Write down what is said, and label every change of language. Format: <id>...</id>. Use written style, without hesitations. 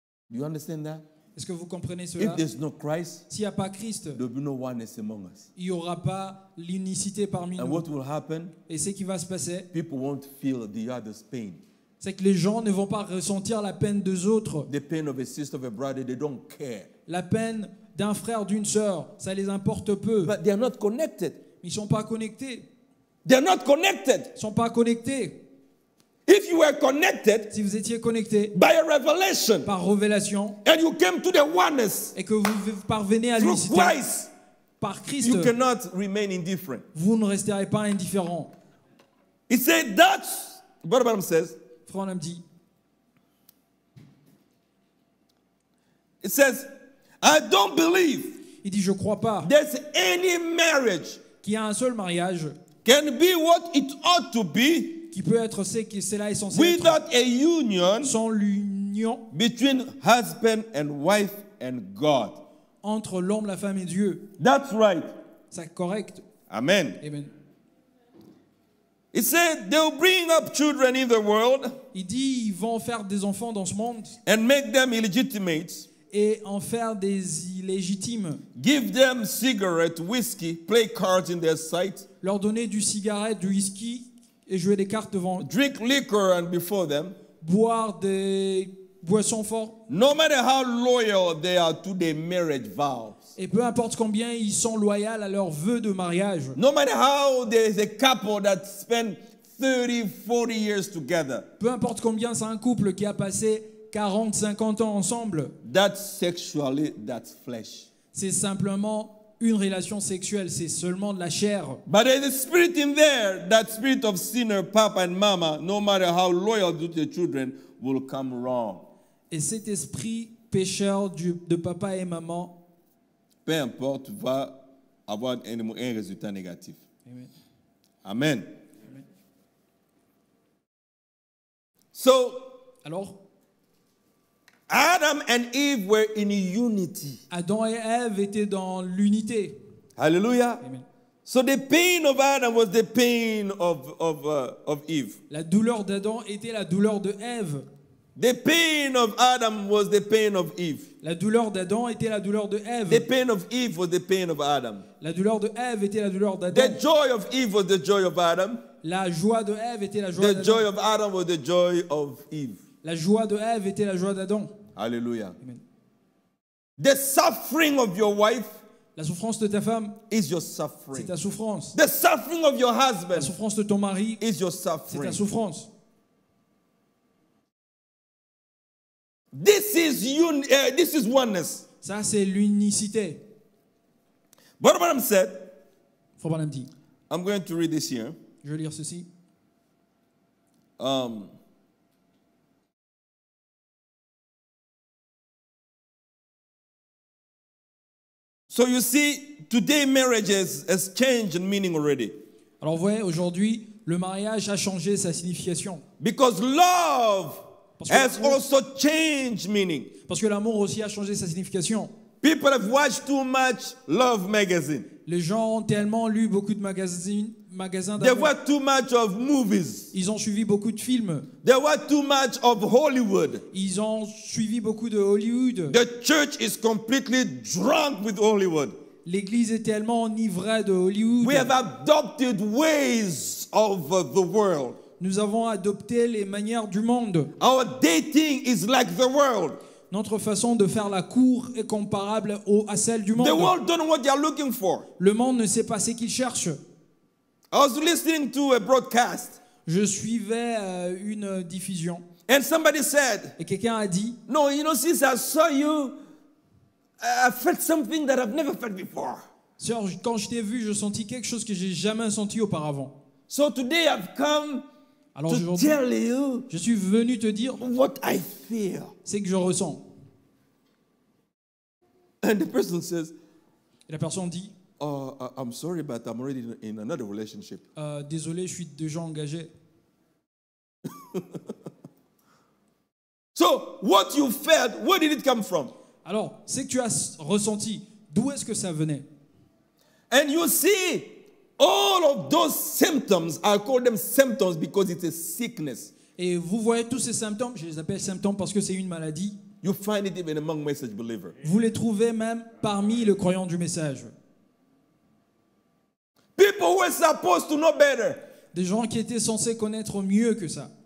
<en>You understand that?</en> <fr>Est-ce que vous comprenez cela?</fr> <en>If there's no Christ,</en> <fr>s'il n'y a pas Christ,</fr> <en>there will be no oneness among us.</en> <fr>Il n'y aura pas l'unicité parmi</fr> <en>and</en> <fr>nous.</fr> <en>What will happen,</en> <fr>et ce qui va se passer,</fr> <en>people won't feel the other's pain.</en> <fr>C'est que les gens ne vont pas ressentir la peine des autres.</fr> <en>The pain of a sister, of a brother, they don't care.</en> <fr>La peine d'un frère, d'une sœur, ça les importe peu.</fr> <en>But they are not connected.</en> <fr>Ils ne sont pas connectés.</fr> <en>They are not connected.</en> <fr>Ils ne sont pas connectés.</fr> <en>If you were connected,</en> <fr>si vous étiez connectés</fr> <en>by a revelation,</en> <fr>par révélation</fr> <en>and you came to the oneness,</en> <fr>et que vous parvenez à</fr> <en>through</en> <fr>l'unicité</fr> <en>Christ,</en> <fr>par Christ,</fr> <en>you cannot remain indifferent.</en> <fr>Vous ne resterez pas indifférent. Il dit,</fr> <en>that's what Abraham says. It says, I don't believe.</en> <fr>Il dit, je crois pas.</fr> <en>There's any marriage</en> <fr>qui a un seul mariage</fr> <en>can be what it ought to be</en> <fr>qui peut être ce que cela est censé</fr> <en>without</en> <fr>être</fr> <en>a union</en> <fr>sans l'union</fr> <en>between husband and wife and God.</en> <fr>Entre l'homme, la femme et Dieu.</fr> <en>That's right.</en> <fr>C'est correct.</fr> <en>Amen.</en> <fr>Amen.</fr> <en>He said they'll bring up children in the world.</en> <fr>Il dit ils vont faire des enfants dans ce monde.</fr> <en>And make them illegitimate.</en> <fr>Et en faire des illégitimes.</fr> <en>Give them cigarettes, whiskey, play cards in their sight.</en> <fr>Leur donner du cigarette, du whisky et jouer des cartes devant.</fr> <en>Drink liquor and before them.</en> <fr>Boire des boissons fortes.</fr> <en>No matter how loyal they are to their marriage vows.</en> <fr>Et peu importe combien ils sont loyaux à leurs vœux de mariage.</fr> <en>No matter how there's a couple that spend 30, 40 years together.</en> <fr>Peu importe combien c'est un couple qui a passé 40, 50 ans ensemble.</fr> <en>That's sexually, that's flesh.</en> <fr>C'est simplement une relation sexuelle, c'est seulement de la chair.</fr> <en>But there's a spirit in there, that spirit of sinner, papa and mama, no matter how loyal to the children, will come wrong.</en> <fr>Et cet esprit pécheur de papa et maman, peu importe, va avoir un résultat négatif.</fr> <en>Amen.</en> <fr>Amen.</fr> <en>So,</en> <fr>alors,</fr> <en>Adam and Eve were in unity.</en> <fr>Adam et Eve étaient dans l'unité.</fr> <en>Hallelujah.</en> <fr>Amen.</fr> <en>So the pain of Adam was the pain of Eve.</en> <fr>La douleur d'Adam était la douleur de Eve.</fr> <en>The pain of Adam was the pain of Eve.</en> <fr>La douleur d'Adam était la douleur de Eve.</fr> <en>The pain of Eve was the pain of Adam.</en> <fr>La douleur de Eve était la douleur d'Adam.</fr> <en>The joy of Eve was the joy of Adam.</en> <fr>La joie de Eve était la joie</fr> <en>d'Adam. The joy of Adam was the joy of Eve.</en> <fr>La joie de Eve était la joie d'Adam. Alléluia.</fr> <en>Amen. The suffering of your wife,</en> <fr>la souffrance de ta femme,</fr> <en>is your suffering.</en> <fr>C'est ta souffrance.</fr> <en>The suffering of your husband,</en> <fr>la souffrance de ton mari,</fr> <en>is your suffering.</en> <fr>C'est ta souffrance.</fr> <en>This is oneness.</en> <fr>Ça c'est l'unicité. Frère Branham dit.</fr> <en>I'm going to read this here.</en> <fr>Je vais lire ceci.</fr> <en>So you see, today marriage has changed meaning already.</en> <fr>Alors vous voyez, aujourd'hui, le mariage a changé sa signification.</fr> <en>Because love has also changed meaning.</en> <fr>Parce que l'amour aussi a changé sa signification.</fr> <en>People have watched too much love magazine.</en> <fr>Les gens ont tellement lu beaucoup de magazines.</fr> <en>They watch too much of movies.</en> <fr>Ils ont suivi beaucoup de films.</fr> <en>They watch too much of Hollywood.</en> <fr>Ils ont suivi beaucoup de Hollywood.</fr> <en>The church is completely drunk with Hollywood.</en> <fr>L'église est tellement enivrée de Hollywood.</fr> <en>We have adopted ways of the world.</en> <fr>Nous avons adopté les manières du monde.</fr> <en>Our dating is like the world.</en> <fr>Notre façon de faire la cour est comparable à celle du monde.</fr> <en>The world don't know what they are looking for.</en> <fr>Le monde ne sait pas ce qu'il cherche.</fr> <en>I was listening to a broadcast.</en> <fr>Je suivais une diffusion.</fr> <en>And somebody said.</en> <fr>Et quelqu'un a dit.</fr> <en>No, you know, since I saw you, I felt something that I've never felt before.</en> <fr>Sœur, quand je t'ai vu, je sentis quelque chose que j'ai jamais senti auparavant.</fr> <en>So today I've come.</en> <fr>Alors</fr> <en>to tell you.</en> <fr>Je suis venu te dire.</fr> <en>What I feel.</en> <fr>C'est que je ressens.</fr> <en>And the person says.</en> <fr>Et la personne dit.</fr> <en>I'm sorry, but I'm already in another relationship.</en> <fr>Désolé, je suis déjà engagé.</fr> <en>So, what you felt, where did it come from?</en> <fr>Alors, ce que tu as ressenti, d'où est-ce que ça venait?</fr> <en>And you see, all of those symptoms, I call them symptoms because it's a sickness.</en> <fr>Et vous voyez tous ces symptômes, je les appelle symptômes parce que c'est une maladie.</fr> <en>You find it even among message believers.</en> <fr>Vous les trouvez même parmi le croyant du message.</fr> <en>People were supposed to know better.</en> <fr>Des gens qui étaient censés connaître mieux que ça.</fr>